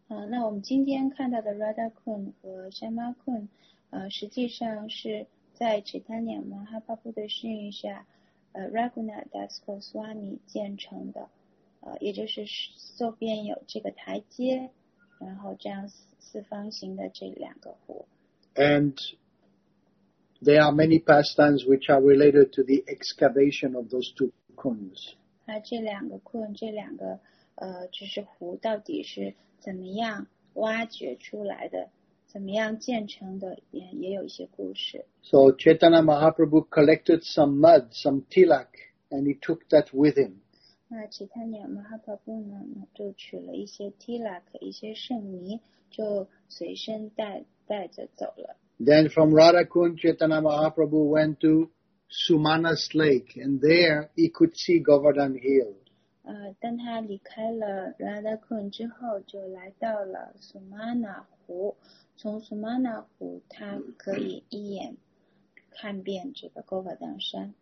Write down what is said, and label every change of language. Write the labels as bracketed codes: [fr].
[zh] 那我们今天看到的 Radhakund 和 Shyamakund, 实际上是在 Chaitanya Mahaprabhu 的训练下 Raghunath Das Goswami 建成的也就是后边有这个台阶然后这样 四方形的这两个湖。 [en] And there are many pastimes which are related to the excavation of those two kunds. [zh] 那这两个 kund, 这两个就是湖到底是怎么样挖掘出来的怎么样建成的 也有一些故事。 [en] So Chaitanya Mahaprabhu collected some mud, some tilak, and he took that with him. [zh] 那其他鸟马哈巴布呢就取了一些 tilak 一些圣泥就随身 带着走了。 [en] Then from Radhakund, Chaitanya Mahaprabhu went to Sumanas Lake, and there he could see Govardhan Hill. [zh] 当他离开了 Radhakund 之后就来到了 Sumana 湖从 Sumana 湖他可以一眼看遍这个 Govardhan 山。